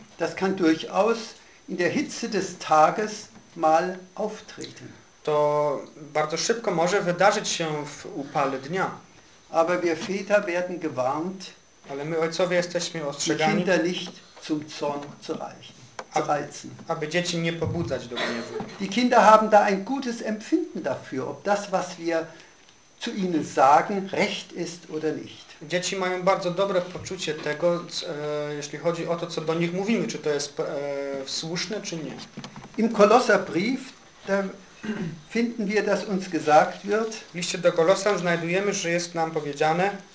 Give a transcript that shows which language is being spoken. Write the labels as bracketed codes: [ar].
[de] Das kann durchaus in der Hitze des Tages mal auftreten. [pl] To bardzo szybko może wydarzyć się w upale dnia. [de] Aber wir Väter werden gewarnt. [pl] Ale my ojcowie jesteśmy ostrzegani. [de] Die Kinder nicht zum Zorn zu reizen. [pl] Aby dzieci nie pobudzać do gniewu. [de] Die Kinder haben da ein gutes Empfinden dafür, ob das, was wir zu ihnen sagen, recht ist oder nicht. [pl] Dzieci mają bardzo dobre poczucie tego, jeśli chodzi o to, co do nich mówimy, czy to jest słuszne, czy nie. [de] Im Kolosserbrief da finden wir, dass uns gesagt wird, [pl] w liście do Kolosan znajdujemy, że jest nam powiedziane,